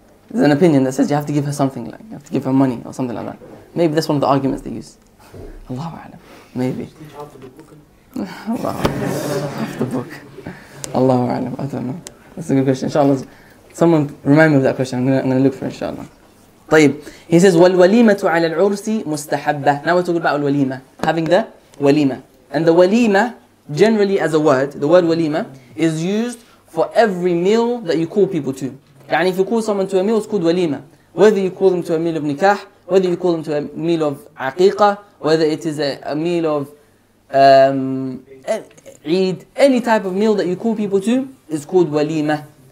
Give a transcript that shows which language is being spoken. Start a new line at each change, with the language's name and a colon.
English: There's an opinion that says you have to give her something, like you have to give her money or something like that. Maybe that's one of the arguments they use. Allahu a'lam. Maybe. Half the book. Allahu a'lam. I don't know. That's a good question. Inshallah. Someone remind me of that question. I'm gonna look for it, inshallah.
Arabic: طيب.
English: He says,
Arabic: والوليمة على العرس مستحبة.
English: Now we're talking about الوليمة. Having the وليمة. And the وليمة, generally as a word, the word وليمة is used for every meal that you call people to. يعني if you call someone to a meal, it's called وليمة. Whether you call them to a meal of nikah, whether you call them to a meal of aqiqah, whether it is a meal of Eid, any type of meal that you call people to is called وليمة.